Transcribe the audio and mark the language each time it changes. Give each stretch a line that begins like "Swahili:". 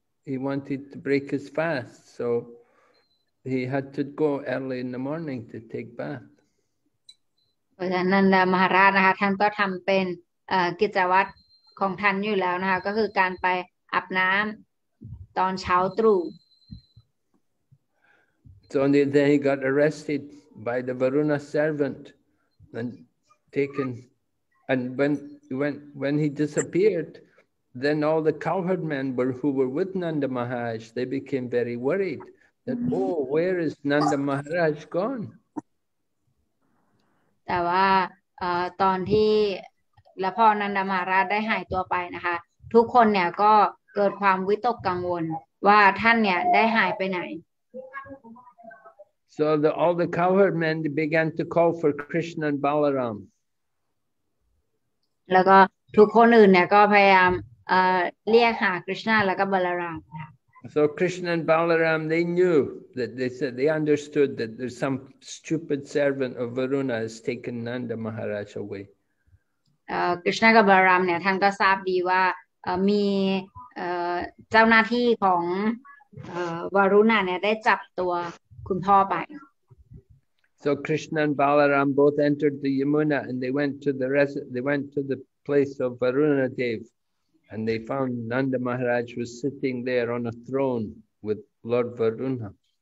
English: He wanted to break his fast, so he had to go early in the morning to take bath.
Thai: เพราะฉะนั้นมหาราชนะคะท่านก็ทำเป็นกิจวัตรของท่านอยู่แล้วนะคะก็คือการไปอาบน้ำตอนเช้าตรู่
English: So then he got arrested by the Varuna servant and taken, and when he disappeared, then all the cowherd men who were with Nanda Maharaj, they became very worried that, oh, where is Nanda Maharaj gone?
Thai: แต่ว่าตอนที่แล้วพอนันดามหาราชได้หายตัวไปนะคะทุกคนเนี่ยก็เกิดความวิตกกังวลว่าท่านเนี่ยได้หายไปไหน
English: So all the cowherd men began to call for Krishna and Balaram.
Thai: แล้วก็ทุกคนอื่นเนี่ยก็พยายามเรียกหาคริชนาแล้วก็บาลารามค่ะ
English: So Krishna and Balaram, they knew that they said they understood that there's some stupid servant of Varuna has taken Nanda Maharaj away.
Thai: Krishna กับบาลารามเนี่ยท่านก็ทราบดีว่ามีเจ้าหน้าที่ของวารุณาเนี่ยได้จับตัวคุณพ่อไป
English: So Krishna and Balaram both entered the Yamuna and they went to the place of Varuna Dev and they found Nanda Maharaj was sitting there on a throne with Lord Varuna.